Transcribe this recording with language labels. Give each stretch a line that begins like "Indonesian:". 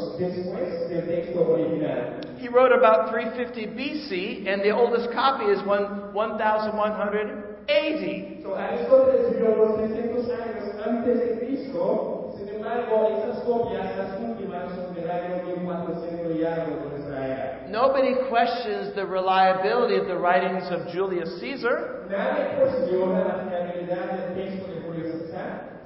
English: He wrote about 350 BC, and the oldest copy is 1,180.
Spanish: So Aristotle escribió 300 años antes de Cristo, sin embargo, esas copias las últimas superaron 1,400 y algo de nuestra era.
English: Nobody questions the reliability of the writings of Julius Caesar.
Spanish: Nadie cuestiona la fiabilidad del texto de Julio César.